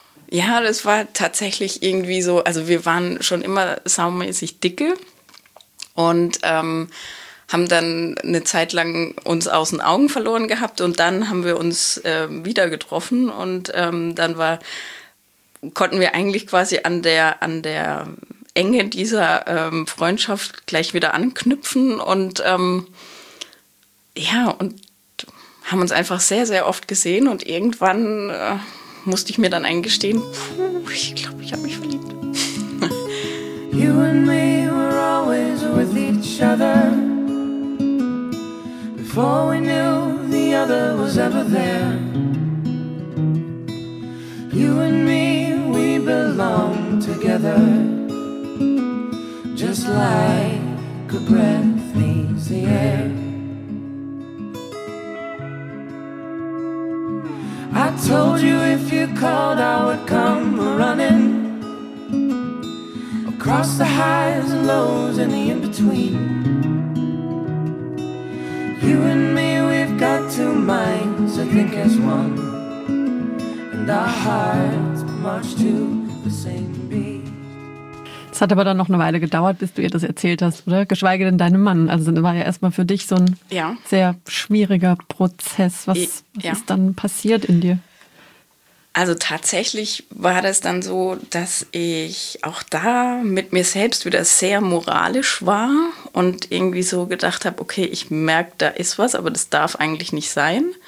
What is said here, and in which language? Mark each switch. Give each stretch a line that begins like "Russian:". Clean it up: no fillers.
German: Ja, das war tatsächlich irgendwie so, also wir waren schon immer saumäßig dicke und haben dann eine Zeit lang uns aus den Augen verloren gehabt und dann haben wir uns wieder getroffen und dann war, konnten wir eigentlich quasi an der Enge dieser Freundschaft gleich wieder anknüpfen und ja, und haben uns einfach sehr, sehr oft gesehen und irgendwann musste ich mir dann eingestehen, puh, ich glaube, ich habe mich verliebt.
English: You and me were always with each other. Before we knew the other was ever there. You and me, we belong together. Just like a breath meets the air. I told you if you called, I would come running across the highs and lows and the in-between. You and me, we've got 2 minds, I think as one, and our hearts march to the same beat.
German: Es hat aber dann noch eine Weile gedauert, bis du ihr das erzählt hast, oder? Geschweige denn deinem Mann. Also das war ja erstmal für dich so ein sehr schwieriger Prozess. Was ist dann passiert in dir? Also tatsächlich war das dann so, dass ich auch da mit mir selbst wieder sehr moralisch war und irgendwie so gedacht habe, okay, ich merke, da ist was, aber das darf eigentlich nicht sein.